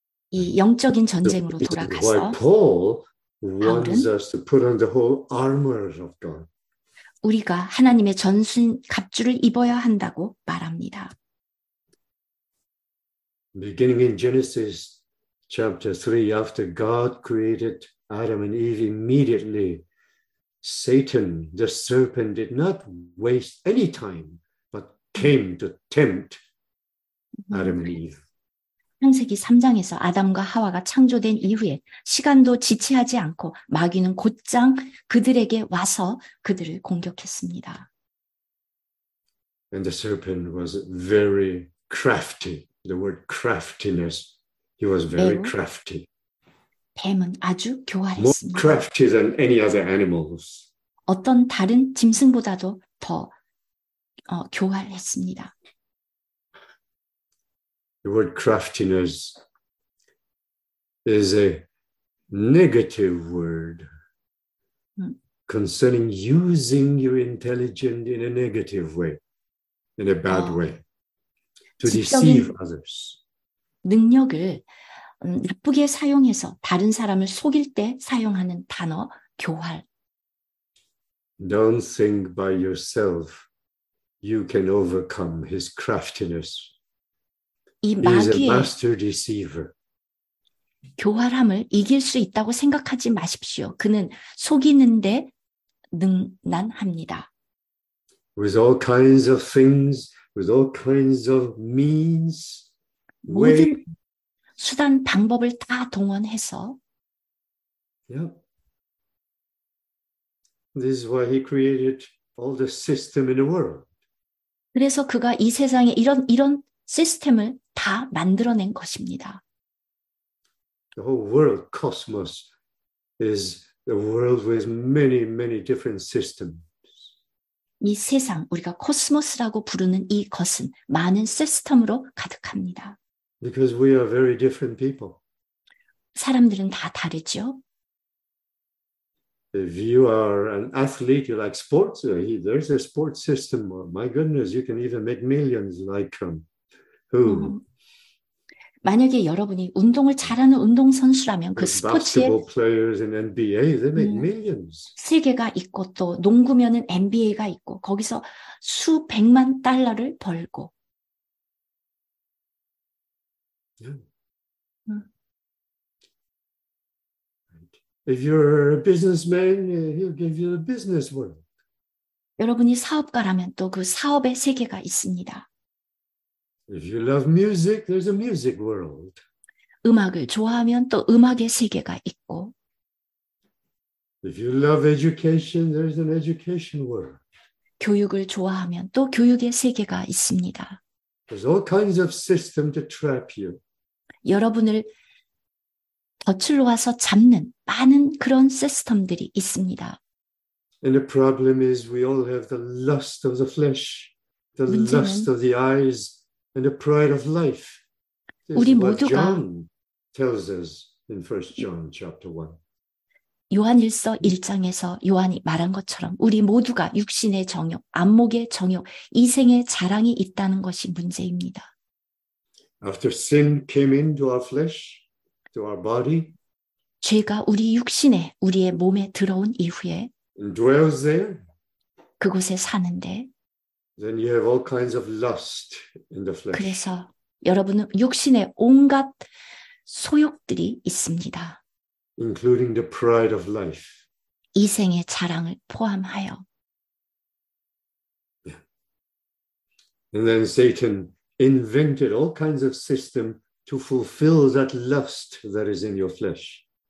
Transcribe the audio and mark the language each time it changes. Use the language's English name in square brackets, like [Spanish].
[Korean] 이 영적인 전쟁으로 돌아가서 [English] why Paul wants us to put on the whole armor of God. [Korean] 우리가 하나님의 전신 갑주를 입어야 한다고 말합니다. [English] Beginning in Genesis chapter 3, after God created Adam and Eve, immediately Satan, the serpent, did not waste any time, but came to tempt Adam and Eve. [Korean] 창세기 3장에서 아담과 하와가 창조된 이후에 시간도 지체하지 않고 마귀는 곧장 그들에게 와서 그들을 공격했습니다. [English] And the serpent was very crafty. The word craftiness, he was very crafty. [Korean] 뱀은 아주 교활했습니다. [English] More crafty than any other animals. [Korean] 어떤 다른 짐승보다도 더 교활했습니다. [English] The word craftiness is a negative word concerning using your intelligence in a negative way, in a bad way. To deceive others. [Korean] 능력을 나쁘게 사용해서 다른 사람을 속일 때 사용하는 단어 교활. [English] Don't think by yourself you can overcome his craftiness. [Korean] 이 마귀의 [English] He is a master deceiver. [Korean] 교활함을 이길 수 있다고 생각하지 마십시오. 그는 속이는데 능란합니다. [English] With all kinds of things. With all kinds of means, way. [Korean] 수단 방법을 다 동원해서. [English] Yeah. This is why he created all the system in the world. [Korean] 그래서 그가 이 세상에 이런 시스템을 다 만들어낸 것입니다. [English] The whole world, cosmos, is a world with many, many different systems. [Korean] 이 세상 우리가 코스모스라고 부르는 이 것은 많은 시스템으로 가득합니다. [English] Because we are very different people. [Korean] 사람들은 다 다르죠. [English] If you are an athlete, you like sports. There's a sports system. My goodness, you can even make millions like him. Who? [Korean] 만약에 여러분이 운동을 잘하는 운동 선수라면 그 스포츠에 [English] basketball players in NBA, they make millions. [Korean] 세계가 있고 또 농구면은 NBA가 있고 거기서 수백만 달러를 벌고. [English] Yeah. If you're a businessman, he'll give you a business world. [Korean] 여러분이 사업가라면 또 그 사업의 세계가 있습니다. [English] If you love music, there's a music world. [Korean] 음악을 좋아하면 또 음악의 세계가 있고. [English] If you love education, there's an education world. [Korean] 교육을 좋아하면 또 교육의 세계가 있습니다. [English] There's all kinds of system to trap you. [Korean] 여러분을 덫으로 와서 잡는 많은 그런 시스템들이 있습니다. [English] And the problem is we all have the lust of the flesh, the lust of the eyes. And the pride of life. This is what John tells us in 1 John chapter 1. [Korean] 요한일서 1장에서 요한이 말한 것처럼 우리 모두가 육신의 정욕, 안목의 정욕, 이생의 자랑이 있다는 것이 문제입니다. [English] After sin came into our flesh, to our body, [Korean] 죄가 우리 육신에, 우리의 몸에 들어온 이후에 [English] and dwells there, [Korean] 그곳에 사는데 [English] Then you have all kinds of lust in the flesh. [Korean] 그래서 여러분은 육신의 온갖 소욕들이 있습니다. [English] Including the pride of life. [Korean] 이생의 자랑을 포함하여. [English] And then Satan invented all kinds of system to fulfill that lust that is in your flesh.